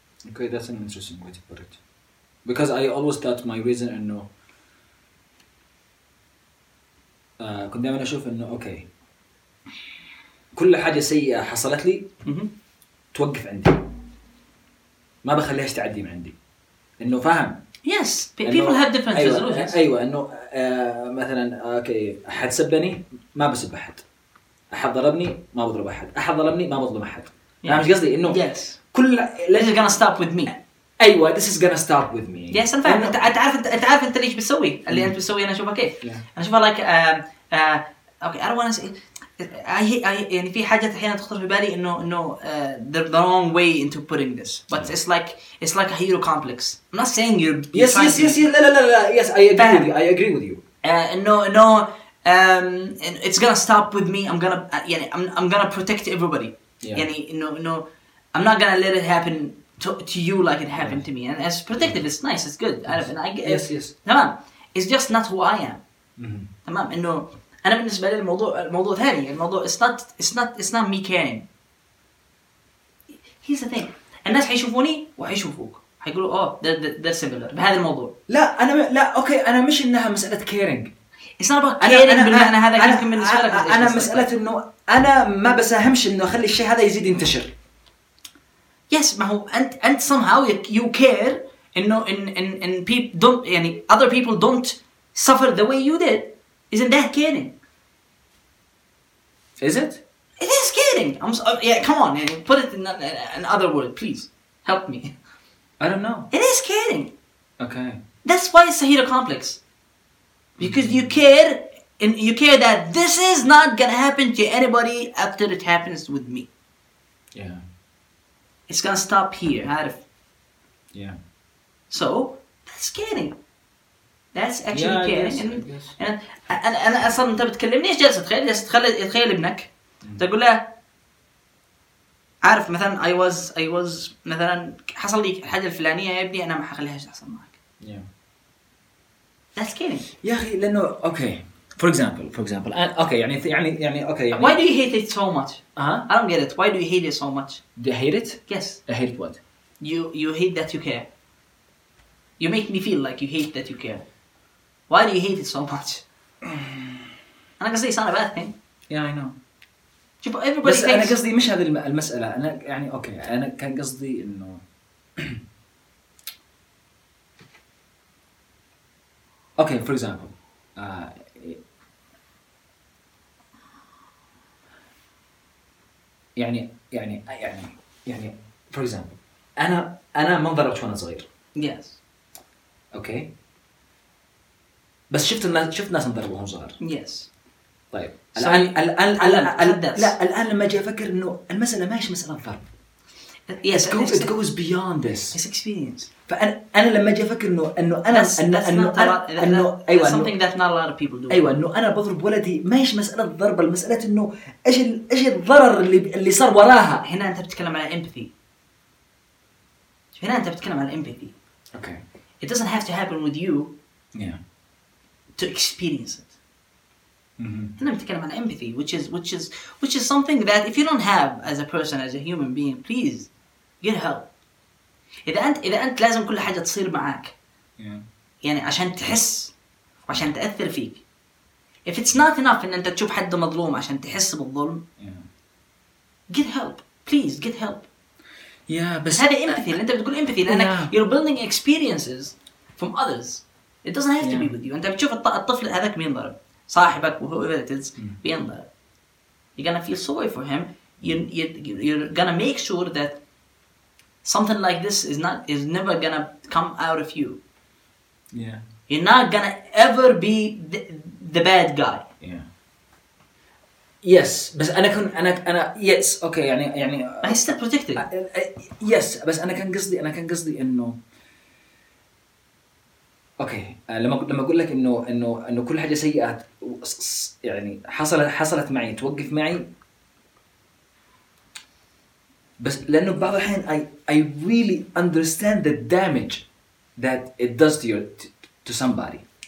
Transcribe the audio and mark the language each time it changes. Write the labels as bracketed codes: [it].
[en] Okay, that's an interesting way to put it. Because I always thought my reason [ar] إنه كنت دائما أشوف إنه okay كل حاجة سيئة حصلت لي توقف عندي ما بخليهاش تعدي من عندي إنه فاهم. [en] Yes, people have different resolutions. [ar] أيوة إنه مثلاً أوكي أحد سبني ما بسب أحد أحد ضربني ما بضرب أحد أحد ظلمني ما بظلم أحد. [en] Yeah. [ar] مش قصدي إنه [en] yes. [ar] كل [en] this is gonna stop with me. أيوة this is gonna stop with me. [ar] Yes, أنا فاهم أنت تعرف أنت ليش بتسوي اللي أنت بتسوي أنا أشوفه كيف [en] yeah. [ar] أنا أشوفه [en] like okay I don't wanna say I [ar] يعني في حاجات أحيانا تخطر في بالي إنه [en] the wrong way into putting this but yeah. it's like a hero complex. I'm not saying you're yes yes yes yes [ar] لا لا لا [en] yes I agree with you. I agree with you. No, it's gonna stop with me. I'm gonna يعني I'm gonna protect everybody. Yeah. يعني no, I'm not gonna let it happen to you like it happened right. to me. And as protective, yeah. it's nice, it's good. Yes. And I get yes, yes. تمام. It's just not who I am. Mm-hmm. [ar] تمام. إنه أنا بالنسبة لي الموضوع ثاني. الموضوع [en] it's not me caring. Here's the thing. [ar] الناس حيشوفوني وحيشوفوك. حيقولوا [en] oh they're similar. [ar] بهذا الموضوع. لا أوكي أنا مش إنها مسألة caring. [en] It's not about caring [ar] بالمعنى هذا يمكن من سؤالك. أنا مسألة إنه أنا ما بساهمش إنه أخلي الشيء هذا يزيد ينتشر. [en] Yes, [ar] ما هو أنت [en] somehow you care إنه in people don't يعني other people don't suffer the way you did. Isn't that caring? Is it? It is caring. I'm so, yeah. Come on, put it in another word, please. Help me. I don't know. It is caring. Okay. That's why it's a hero complex. Because mm-hmm. you care that this is not gonna happen to anybody after it happens with me. Yeah. It's gonna stop here. Yeah. So that's caring. That's actually yeah, caring. I guess. [ar] And أصلاً أنت بتكلمنيش جالس تخيل ابنك. تقول له عارف مثلاً [en] I was [ar] مثلاً حصل لي الحاجة الفلانية يا ابني أنا ما حخليهاش تحصل معك. [en] That's caring. [ar] يا أخي لأنه okay. [en] For example. And okay. يعني okay. يعني why do you hate it so much? Uh-huh. I don't get it. Why do you hate it so much? Do you hate it? Yes. I hate what? You hate that you care. You make me feel like you hate that you care. Why do you hate it so much? [ar] أنا قصدي [en] it's not a bad thing. Yeah, I know. شوف everybody. [ar] بس [en] thinks... [ar] أنا قصدي مش هذه المسألة. أنا يعني okay. أنا كان قصدي إنه okay, [en] for example, [ar] يعني for example, أنا ما ضربت وأنا صغير. [en] Yes. [ar] Okay. بس شفت ناس نضربهم صغار. [en] Yes. [ar] طيب. الآن لما جاء فكر إنه المسألة ماش مسألة ضرب. [en] Yes. It goes beyond this. It's experience. [ar] فأنا لما جاء فكر إنه أيوة. [en] Something that not a lot of people do. [ar] أيوة إنه أنا بضرب ولدي ماش مسألة ضرب المسألة إنه إيش الضرر اللي صار وراها. هنا أنت بتتكلم على empathy. هنا أنت بتتكلم على empathy. [en] Okay. It doesn't have to happen with you. Yeah. To experience it. Mm-hmm. Then I'm talking about empathy, which is something that if you don't have as a person, as a human being, please get help. [ar] إذا أنت لازم كل حاجة تصير معك. [en] Yeah. [ar] يعني عشان تحس وعشان تأثر فيك. [en] If it's not enough [ar] إن أنت تشوف حد مظلوم عشان تحس بالظلم. [en] Yeah. Get help, please get help. Yeah, but هذا empathy. [ar] أنت بتقول empathy لأنك [en] yeah. you're building experiences from others. It doesn't have to be with you. [ar] أنت بتشوف الطفل هذاك بينضرب صاحبك وهو إذا بينضرب. [en] You're gonna feel sorry for him. You're gonna make sure that something like this is never gonna come out of you. Yeah. You're not gonna ever be the bad guy. Yeah. Yes. [ar] بس أنا كن أنا yes. [en] Okay. يعني I still protected. [ar] Yes. بس أنا كان قصدي إنه. [en] Okay. [ar] لما أقول لك إنه كل حاجة سيئة يعني حصلت معي توقف معي. بس لأنه بعض الحين [en] I really understand the damage that it does to to somebody.